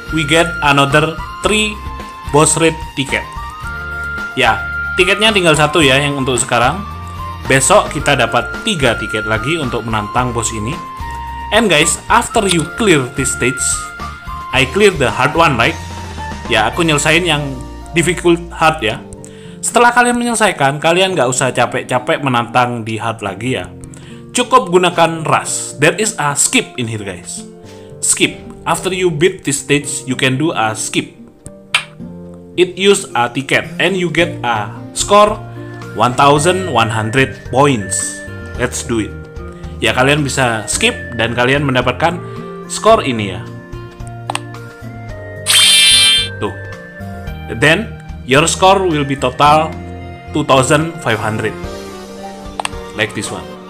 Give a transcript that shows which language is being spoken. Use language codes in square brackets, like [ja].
[en] We get another 3 boss raid ticket. [id] Ya, tiketnya tinggal satu ya yang untuk sekarang. Besok kita dapat 3 tiket lagi untuk menantang bos ini. [en] And guys, after you clear this stage, I clear the hard one, right? [id] Ya, aku nyelesain yang difficult hard ya. Setelah kalian menyelesaikan, kalian gak usah capek-capek menantang di hard lagi ya. Cukup gunakan rush. [en] There is a skip in here, guys. Skip. After you beat this stage, you can do a skip. It use a ticket and you get a score 1100 points. Let's do it. [id] Ya, kalian bisa skip dan kalian mendapatkan skor ini ya. Tuh. [en] Then your score will be total 2500. Like this one.